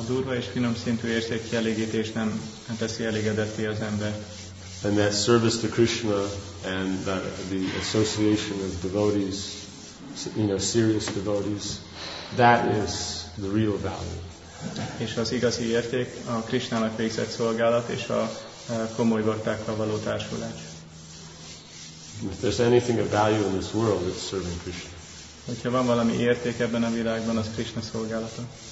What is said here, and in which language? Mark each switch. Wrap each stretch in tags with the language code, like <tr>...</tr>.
<hu>A durva és finom szintű érzékkielégítés nem teszi elégedetté az ember.</hu> <en>And that service to Krishna and that the association of devotees, you know, serious devotees, that is the real value.</en> <hu>És az igazi érték a Krishnának végzett szolgálat és a komoly baktákkal való társulás.</hu> <en>If there's anything of value in this world, it's serving Krishna.</en> <hu>Hogyha van valami érték ebben a világban, az Krishna szolgálata.</hu>